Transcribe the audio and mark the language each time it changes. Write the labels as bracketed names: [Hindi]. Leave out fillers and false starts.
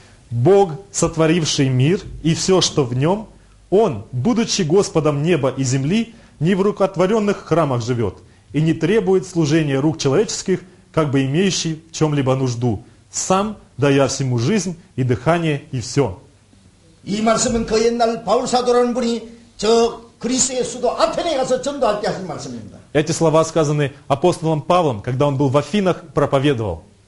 [Russian] Бог, сотворивший мир и все, что в нем, Он, будучи Господом неба и земли, не в рукотворенных храмах живет и не требует служения рук человеческих, как бы имеющий в чем-либо нужду, Сам, дая всему жизнь и дыхание и все. [Korean] И말씀은 그 옛날 바울 사도라는 분이 저 그리스의 수도 아테네 가서 전도할 때 하신 말씀입니다. [Russian] Эти слова сказаны апостолом Павлом, когда он был в Афинах, проповедовал.